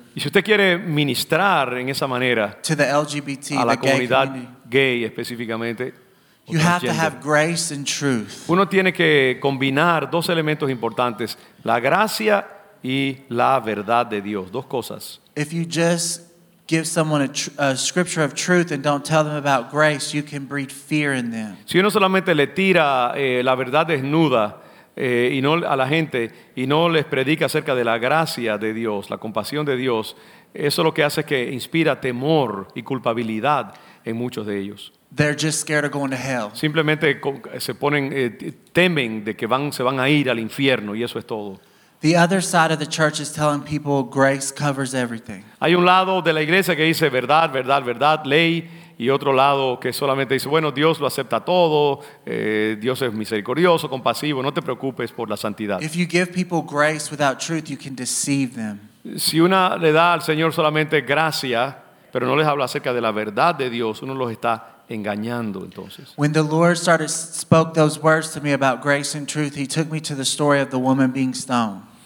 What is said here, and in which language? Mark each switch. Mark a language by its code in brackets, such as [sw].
[es] y si usted quiere ministrar en esa manera [en] to the LGBT, [es] a la [en] the [es] comunidad [en] gay [es] específicamente, [en] you have to have grace and truth. [es] Uno tiene que combinar dos elementos importantes, la gracia y la verdad de Dios, dos cosas. [en] If you just give someone a scripture of truth and don't tell them about grace, you can breed fear in them. [es] Si uno solamente le tira la verdad desnuda, y no a la gente y no les predica acerca de la gracia de Dios, la compasión de Dios, eso lo que hace es que inspira temor y culpabilidad en muchos de ellos. [en] They're just scared of going to hell. [es] Simplemente se ponen temen de que se van a ir al infierno y eso es todo. [en] The other side of the church is telling people grace covers everything. [es] Hay un lado de la iglesia que dice verdad, verdad, verdad, ley. Y otro lado que solamente dice, bueno, Dios lo acepta todo, Dios es misericordioso, compasivo, no te preocupes por la santidad. [en] If you give people grace without truth, you can deceive them. [es] Si una le da al Señor solamente gracia, pero no les habla acerca de la verdad de Dios, uno los está engañando entonces. [en] When the Lord started spoke those words to me about grace and truth, He took me to the story of the woman being stoned.